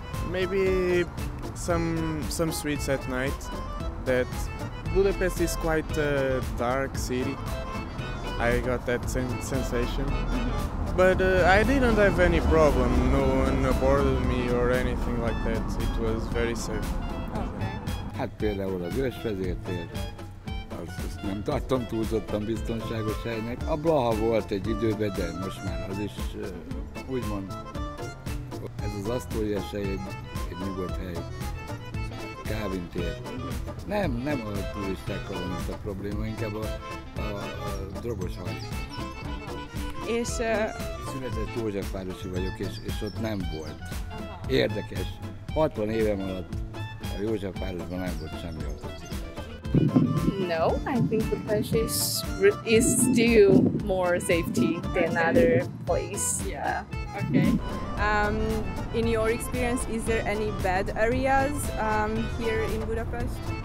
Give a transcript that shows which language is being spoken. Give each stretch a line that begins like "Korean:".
English: Maybe some streets at night, that Budapest is quite a dark city. I got that same sensation, but I didn't have any problem. No one bothered me or anything like that. It was very safe. Okay.
Hungarian: Hát például az ős vezértér, azt nem tartom túlzottan biztonságos helynek. A Blaha volt egy időben, de most már az is úgymond. Ez az Astoria sejt, egy nyugodt hely. Calvin tér. Nem a turistákkal van itt a probléma, inkább a drogos hajt. És... Született józsefvárosi vagyok, és ott nem volt. Érdekes. 60 évem alatt a Józsefvárosban nem volt semmi autócsipás.
English: No, I think the place is still more safety than other place. Yeah. Okay. In your experience, is there any bad areas here in Budapest?